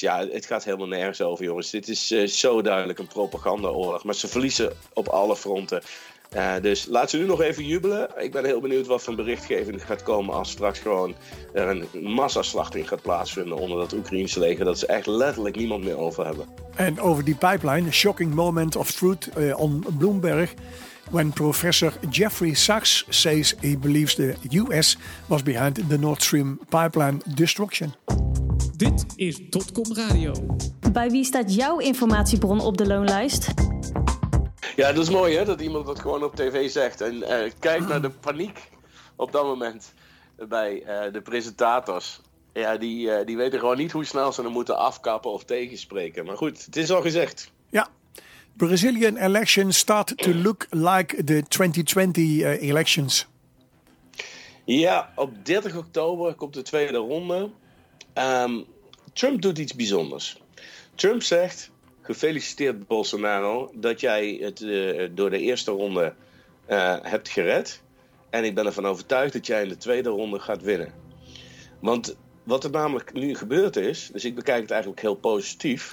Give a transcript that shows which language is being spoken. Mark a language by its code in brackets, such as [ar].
[nl] Ja, het gaat helemaal nergens over, jongens. Dit is zo duidelijk een propagandaoorlog. Maar ze verliezen op alle fronten. Dus laten ze nu nog even jubelen. Ik ben heel benieuwd wat voor berichtgeving gaat komen als straks gewoon er een massaslachting gaat plaatsvinden onder dat Oekraïense leger, dat ze echt letterlijk niemand meer over hebben. En over die pipeline, [en] a shocking moment of truth on Bloomberg, when professor Jeffrey Sachs says he believes the US was behind the Nord Stream pipeline destruction. [nl] Dit is Dotcom Radio. Bij wie staat jouw informatiebron op de loonlijst? Ja, dat is mooi, hè, dat iemand dat gewoon op tv zegt. En kijk naar de paniek op dat moment bij de presentators. Ja, die weten gewoon niet hoe snel ze hem moeten afkappen of tegenspreken. Maar goed, het is al gezegd. Ja. [en] Brazilian elections start to look like the 2020 elections. [nl] Ja, op 30 oktober komt de tweede ronde. Trump doet iets bijzonders. Trump zegt, gefeliciteerd Bolsonaro, dat jij het door de eerste ronde hebt gered. En ik ben ervan overtuigd dat jij in de tweede ronde gaat winnen. Want wat er namelijk nu gebeurd is, dus ik bekijk het eigenlijk heel positief.